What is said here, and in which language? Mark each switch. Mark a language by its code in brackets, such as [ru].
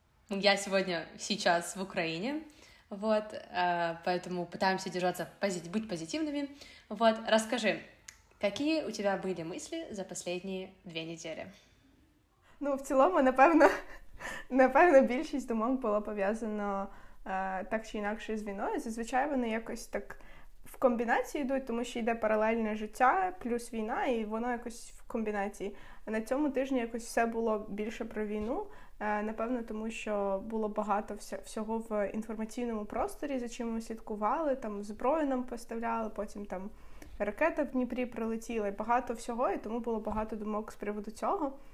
[uk] Я сьогодні весь час в Україні. [ru] Вот, поэтому пытаемся держаться, быть позитивными. Вот, расскажи, какие у тебя были мысли за последние 2 недели? Ну, в целом, напевно, большинство думок было повязано так или иначе с війною. [uk] Зазвичай вони якось так в комбінації йдуть, тому що йде паралельне життя плюс війна, і воно якось в комбінації. На цьому тижні якось все було більше про війну. Напевно, тому що було багато всього в інформаційному просторі, за чим ми слідкували, там зброю нам поставляли, потім там ракета в Дніпрі прилетіла, і багато всього, і тому було багато думок з приводу цього.